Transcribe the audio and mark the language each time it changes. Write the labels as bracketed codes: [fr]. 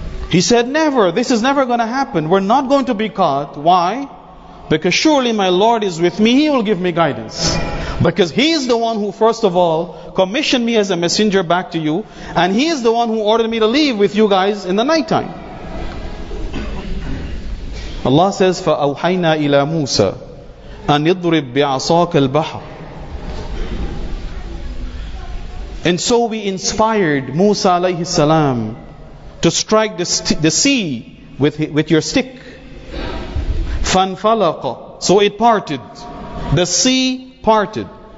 [en] He said, never, this is never going to happen. We're not going to be caught. Why? Because surely my Lord is with me. He will give me guidance. Because He is the one who first of all commissioned me as a messenger back to you. And He is the one who ordered me to leave with you guys in the night time. Allah says, [ar] فَأَوْحَيْنَا إِلَى مُوسَىٰ أَنْ يَضْرِبْ بِعَصَاكَ الْبَحَرِ. [en] And so we inspired Musa alayhi salam to strike the sea with your stick. [ar] فَانْفَلَقَ. [en] So it parted. The sea parted.